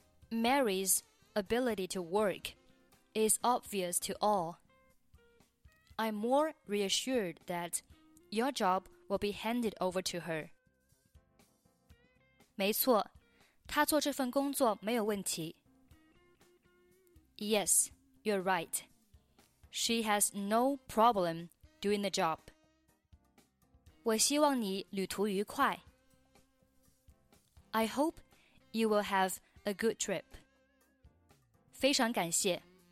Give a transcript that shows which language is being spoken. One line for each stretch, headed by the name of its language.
English: Mary's ability to work is obvious to all. I'm more reassured that your job will be handed over to her.
Chinese: 没错，她做这份工作没有问题。
English: Yes, you're right. She has no problem doing the job.
Chinese: 我希望你旅途愉快。
English: I hope you will have a good trip.
Chinese: 非常感谢。